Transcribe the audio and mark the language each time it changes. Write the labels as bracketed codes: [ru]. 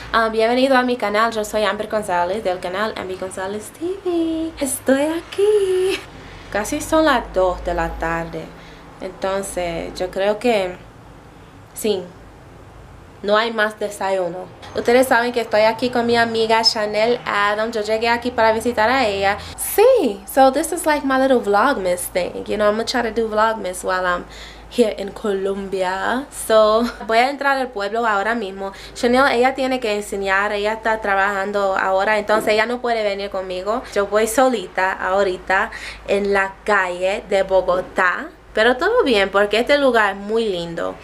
[es] Bienvenido a mi canal. Yo soy Ambie Gonzalez del canal Ambie Gonzalez TV. Estoy aquí. Casi son las 2 de la tarde. Entonces, yo creo que sí. No hay más desayuno. Ustedes saben que estoy aquí con mi amiga Chanel Adam. Yo llegué aquí para visitar a ella. [en] Sí, so this is like my little vlogmas thing. You know, I'm gonna try to do vlogmas while I'm here in Colombia. [es] So, voy a entrar al pueblo ahora mismo. Chanel, ella tiene que enseñar. Ella está trabajando ahora. Entonces, ella no puede venir conmigo. Yo voy solita ahorita en la calle de Bogotá. Pero todo bien porque este lugar es muy lindo.